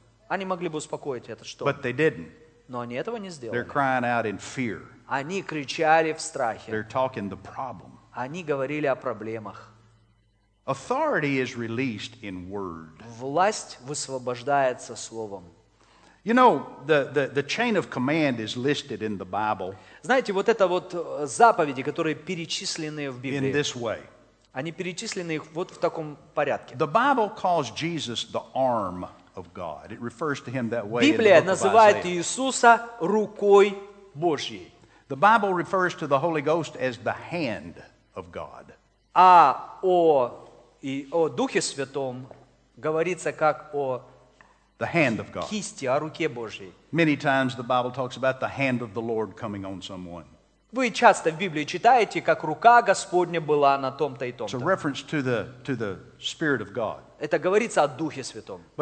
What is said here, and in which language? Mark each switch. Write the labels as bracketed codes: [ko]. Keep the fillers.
[ru] Они могли бы успокоить этот шторм. Но они этого не сделали. Они кричали в страхе. [en] They're talking the problem [ru] они говорили о проблемах. [en] Authority is released in word. [ru] Власть высвобождается словом. [en] You know, the, the, the chain of command is listed in the Bible. [ru] Знаете, вот это вот заповеди, которые перечислены в Библии. [en] In this way. [ru] Они перечислены вот в таком порядке. [en] The Bible calls Jesus the arm of God. It refers to him that way. [ru] Библия называет Иисуса рукой Божьей. [en] The Bible refers to the Holy Ghost as the hand of of God. the hand of God. Many times the Bible talks about the hand of the Lord coming on someone. [ru] Вы часто в Библии читаете, как рука Господня была на том-то и том-то. Это говорится о Духе Святом.